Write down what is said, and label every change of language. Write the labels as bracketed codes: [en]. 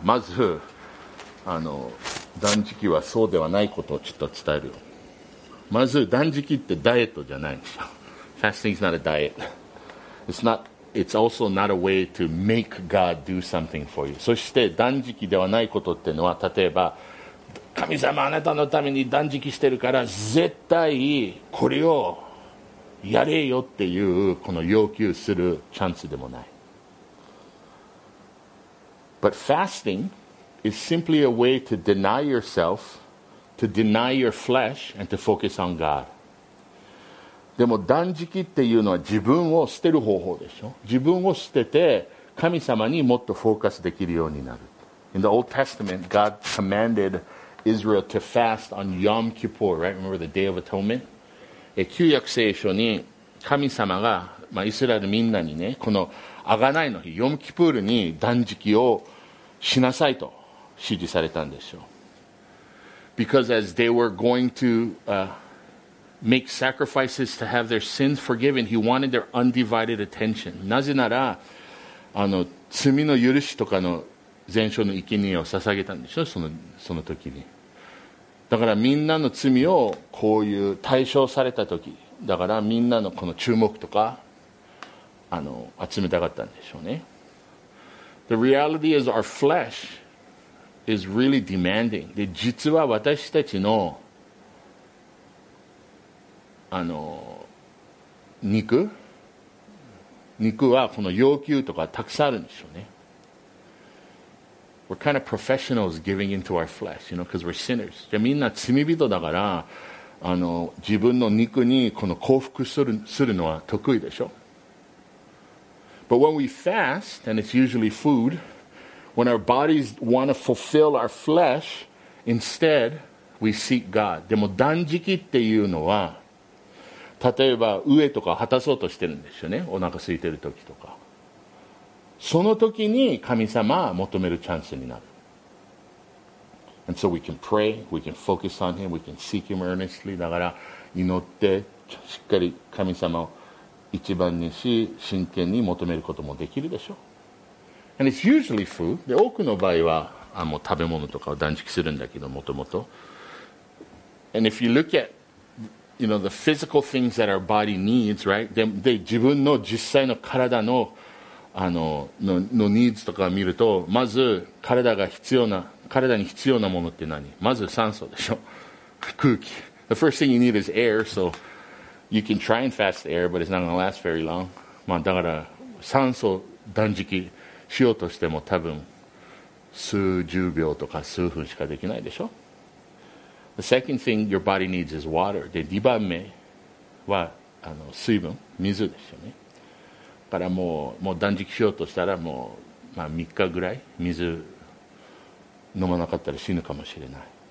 [ja] まず断食はそうではないことをちょっと伝えるよ。まず断食ってダイエットじゃないんですよ。 [en] Fasting is not a diet. It's also not a way to make God do something for you. [ja] そして断食ではないことっていうのは、例えば神様あなたのために断食してるから絶対これをやれよっていうこの要求するチャンスでもない。 [en] But fasting is simply a way to deny yourself, to deny your flesh, and to focus on God. [ja] でも断食っていうのは自分を捨てる方法でしょ。自分を捨てて神様にもっとフォーカスできるようになる。 [en] In the Old Testament, God commanded Israel to fast on Yom Kippur, right? Remember the Day of Atonement? [ja] 旧約聖書に神様が、まあ、イスラエルみんなにね、この贖いの日、ヨムキプールに断食をしなさいと指示されたんでしょう。 [en] Because as they were going to make sacrifices to have their sins forgiven, he wanted their undivided attention. [ja] なぜなら罪の許しとかの全焼の生贄を捧げたんでしょ、その時に。だからみんなの罪をこういう対象された時だから、みんなのこの注目とか集めたかったんでしょうね。 [en] The reality is our flesh is really demanding. [ja] で実は私たちの肉はこの要求とかたくさんあるんでしょうね。 [en] We're kind of professionals giving into our flesh, you know, because we're sinners. [ja] じゃあみんな罪人だから自分の肉にこの降伏するのは得意でしょ。 [en] But when we fast, and it's usually food, when our bodies want to fulfill our flesh, instead, we seek God. [ja] でも断食っていうのは例えば飢えとか果たそうとしてるんですよね、お腹空いてる時とか。その時に神様を求めるチャンスになる。 [en] And so we can pray, we can focus on him, we can seek him earnestly. [ja] だから祈ってしっかり神様を一番にし真剣に求めることもできるでしょう。 [en] And it's usually food. [ja] で多くの場合はもう食べ物とかを断食するんだけど、もともと [en] And if you look atYou know, the physical things that our body needs, right? [ja] で、自分の実際の体の、のニーズとかを見ると、まず体に必要なものって何？まず酸素でしょ。空気。 [en] The first thing you need is air, so you can try and fast air, but it's not going to last very long. [ja] まあだから酸素断食しようとしても多分数十秒とか数分しかできないでしょ。 [en] The second thing your body needs is water. [ja] で、2番目は水分、水ですよね。だからもう断食しようとしたらもう、まあ、3日ぐらい水飲まなかったら死ぬかもしれない。